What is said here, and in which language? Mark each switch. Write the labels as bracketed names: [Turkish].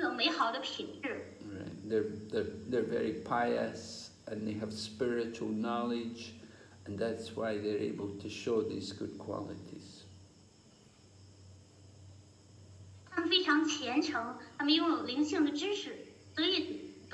[Chinese] 他们之所以弯垂着枝头，不仅仅是由于这个鲜花果实的重量，还有一个原因是因为他们谦卑，他们拥有美好的品质。 [English] Right, they're very pious and they have spiritual knowledge, and that's why they're able to show these good qualities. [Chinese] 他们非常虔诚，他们拥有灵性的知识，所以。